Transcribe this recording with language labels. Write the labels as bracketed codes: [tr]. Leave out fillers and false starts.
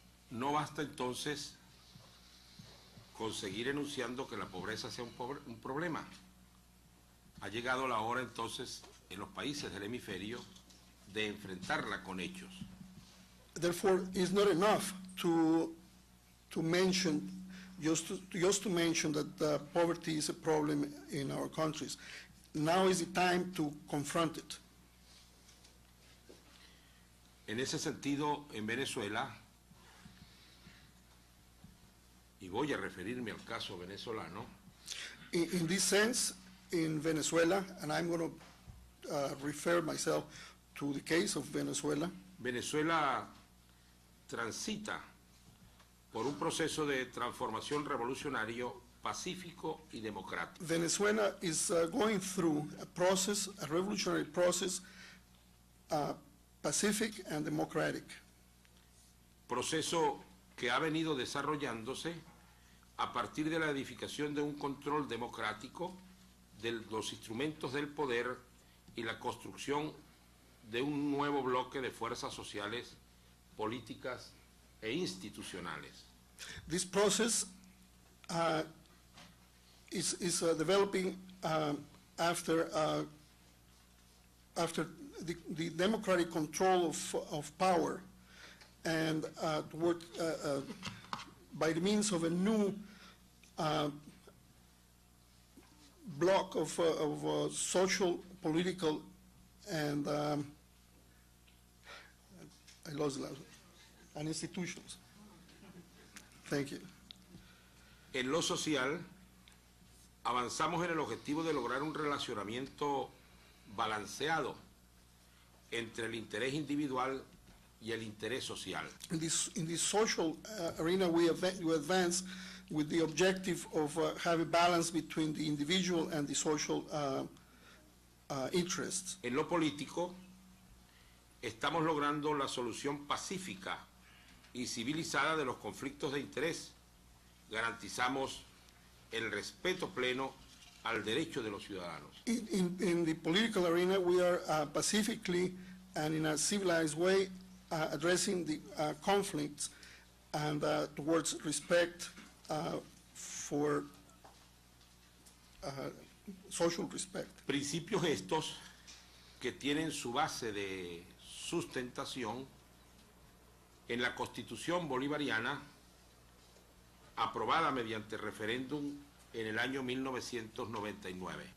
[es] No basta entonces con seguir enunciando que la pobreza sea un problema. Ha llegado la hora entonces en los países del hemisferio de enfrentarla con hechos. [en] Therefore, it's not enough to to mention, just to mention that poverty is a problem in our countries. Now is the time to confront it. [es] En ese sentido, en Venezuela, y voy a referirme al caso venezolano. [en] In this sense, in Venezuela, and I'm going to refer myself to the case of Venezuela. [es] Venezuela transita por un proceso de transformación revolucionario pacífico y democrático. [en] Venezuela is going through a process, a revolutionary process, pacific and democratic. [es] Proceso que ha venido desarrollándose a partir de la edificación de un control democrático de los instrumentos del poder y la construcción de un nuevo bloque de fuerzas sociales, políticas e institucionales. [en] This process is developing after the democratic control of power and toward by the means of a new block of social, political, and I lost it, and institutions. Thank you. [es] En lo social, avanzamos en el objetivo de lograr un relacionamiento balanceado entre el interés individual y el interés social. [en] In this social arena, we advance with the objective of having balance between the individual and the social interests. [es] En lo político, estamos logrando la solución pacífica y civilizada de los conflictos de interés. Garantizamos el respeto pleno al derecho de los ciudadanos. [en] In the political arena, we are pacifically and in a civilized way addressing the conflicts and towards respect for social respect. [es] Principios estos que tienen su base de sustentación en la Constitución Bolivariana, aprobada mediante referéndum en el año 1999.